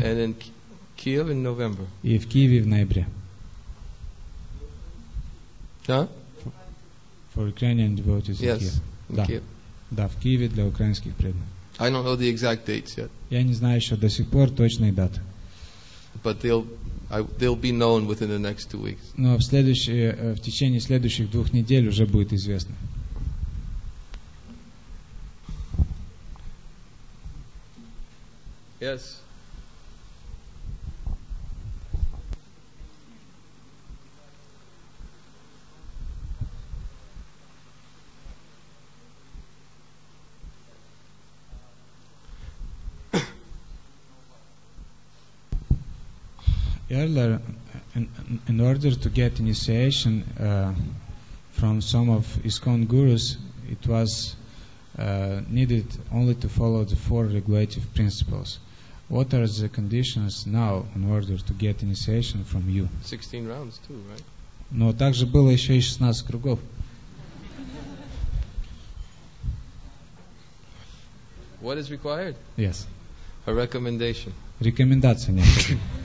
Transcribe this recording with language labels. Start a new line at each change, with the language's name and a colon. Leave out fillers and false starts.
English: And in Kiev in November.
Russian: И в Киеве в ноябре. Да?
English: For Ukrainian devotees. Yes. In Kiev. In
Russian: да.
English: Kiev.
Russian: Да, в Киеве для украинских преданных.
English: I don't know the exact dates yet.
Russian: Я не знаю еще до сих пор точные даты.
English: But they'll be known within the next 2 weeks.
Russian: Но в течение следующих 2 недель уже будет известно.
English: Yes. Earlier, in order to get initiation, from some of ISKCON gurus, it was needed only to follow the four regulative principles. What are the conditions now in order to get initiation from you? 16 rounds too, right?
Russian: Но также было еще и 16 кругов.
English: What is required? Yes. A recommendation.
Russian: Рекомендация необходима.